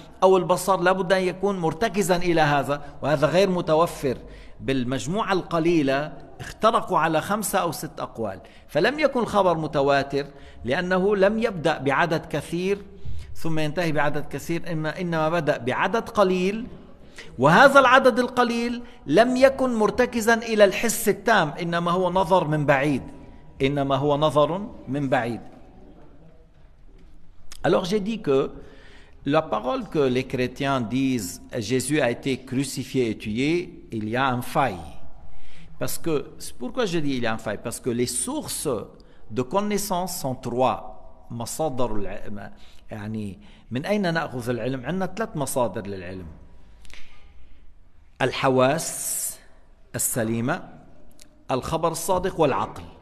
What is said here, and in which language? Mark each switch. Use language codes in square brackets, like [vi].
[ar] أو البصر لابد أن يكون مرتكزا إلى هذا وهذا غير متوفر بالمجموعة القليلة اخترقوا على خمسة أو ست أقوال فلم يكن الخبر متواتر لأنه لم يبدأ بعدد كثير ثم ينتهي بعدد كثير إنما بدأ بعدد قليل وهذا العدد القليل لم يكن مرتكزا إلى الحس التام إنما هو نظر من بعيد إنما هو نظر من بعيد. [fr] Alors j'ai dit que la parole que les chrétiens disent Jésus a été crucifié et tué, il y a un faille. Parce que c'est pourquoi je dis il y a un faille, parce que les sources de connaissance sont trois. [ar] مصادر العلم يعني من أين نأخذ العلم عندنا ثلاث مصادر للعلم. الحواس السليمة الخبر الصادق والعقل.